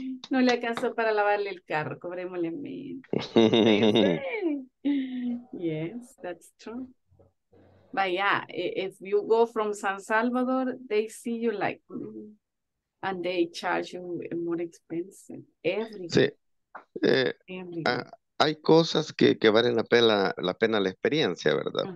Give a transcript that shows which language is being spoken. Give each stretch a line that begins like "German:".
Spanish: No le alcanzó para lavarle el carro, cobrémosle Claro.
English: menos. Yes, that's true. But yeah, if you go from San Salvador, they see you like, and they charge you more expensive.
Spanish: Sí,
English: Everywhere. Everywhere.
Spanish: hay cosas que valen la pena la experiencia, ¿verdad?